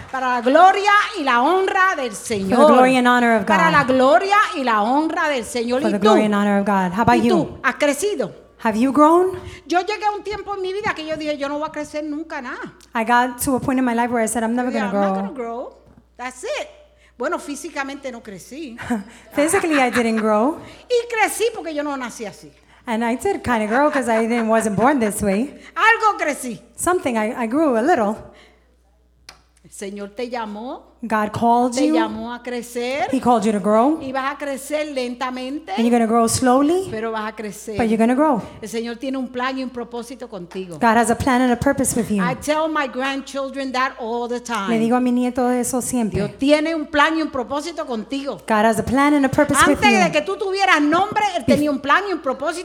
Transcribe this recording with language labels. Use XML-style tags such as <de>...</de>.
<es>Para la gloria y la honra del Señor.</es> <en>For the glory and honor of God.</en> <es>Para la gloria y la honra del Señor.</es> <en>For the glory and honor of God. How about you?</en> <es>¿Y tú? ¿Has crecido?</es> <en>Have you grown?</en> <es>Yo llegué a un tiempo en mi vida que yo dije yo no voy a crecer nunca nada.</es> <en>I got to a point in my life where I said I'm never going to grow. I'm not going to grow. That's it.</en> <es>Bueno, físicamente no crecí.</es> <en>Physically, I didn't grow.</en> <es>Y crecí porque yo no nací así.</es> <en>And I did kind of grow because I wasn't born this way.</en> <es>Algo crecí.</es> <en>Something, I grew a little.</en> <es>Señor te llamó.</es> <en>God called you.</en> <es>Te llamó a crecer.</es> <en>He called you to grow.</en> <es>Y vas a crecer lentamente.</es> <en>And you're going to grow slowly.</en> <es>Pero vas a crecer.</es> <en>But you're going to grow.</en> <es>El Señor tiene un plan y un propósito contigo.</es> <en>God has a plan and a purpose with you. I tell my grandchildren that all the time.</en> <es>Le digo a mi nieto eso siempre. Dios tiene un plan y un propósito contigo.</es> <en>God has a plan and a purpose</en> <es>Antes</es> <en>with you.</en> <es>Antes de que tú tuvieras nombre, él tenía un plan y un propósito</es>